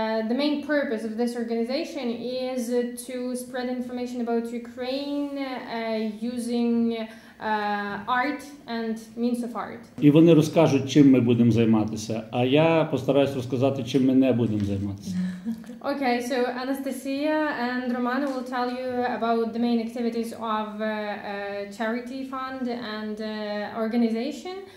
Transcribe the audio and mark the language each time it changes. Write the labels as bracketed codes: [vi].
[en] The main purpose of this organization is to spread information about Ukraine using art and means of art. [uk] І вони розкажуть, чим ми будемо займатися, а я постараюсь розказати, чим ми не будемо займатися. [en] Okay, so Anastasia and Roman will tell you about the main activities of charity fund and organization.